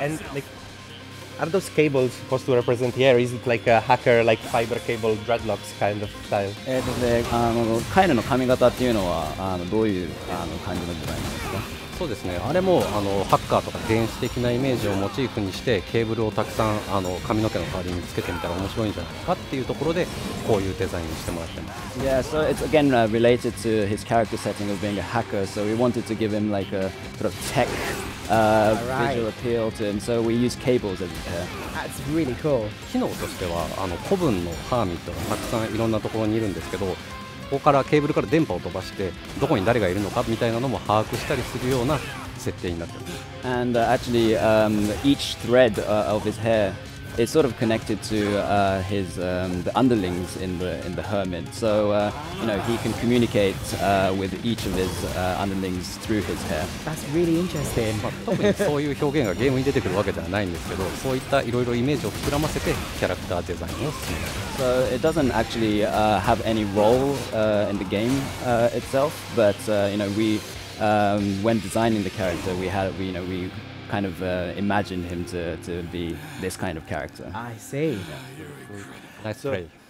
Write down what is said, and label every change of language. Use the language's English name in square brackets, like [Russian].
[English] And like, are those cables supposed to represent here? Is it like a hacker, like fiber cable dreadlocks kind of style? [Japanese] カイルの髪型っていうのはどういう感じのデザインなんですか？そうですね、あれもハッカーとか原始的なイメージをモチーフにしてケーブルをたくさん髪の毛の代わりにつけてみたら面白いんじゃないかっていうところでこういうデザインにしてもらってます。 [English] Yeah, so it's again related to his character setting of being a hacker, so we wanted to give him like a sort of techvisual appeal to him, so we use cables as a pair. That's really cool. [Japanese] 機能としては古文のハーミットがたくさんいろんなところにいるんですけど、ここからケーブルから電波を飛ばしてどこに誰がいるのかみたいなのも把握したりするような設定になっています。 [English] And actually each thread of his hair is sort of connected to his the underlings in the hermit, so you know, he can communicate with each of his underlings through his hair. That's really interesting. [Japanese] 特にそういう表現がゲームに出てくるわけではないんですけど、そういったいろいろイメージを膨らませてキャラクターデザインを進めます。 [English] So it doesn't actually have any role in the game itself, but you know, we when designing the character, we kind of imagined him to be this kind of character. I see. Yeah. Nice so, play.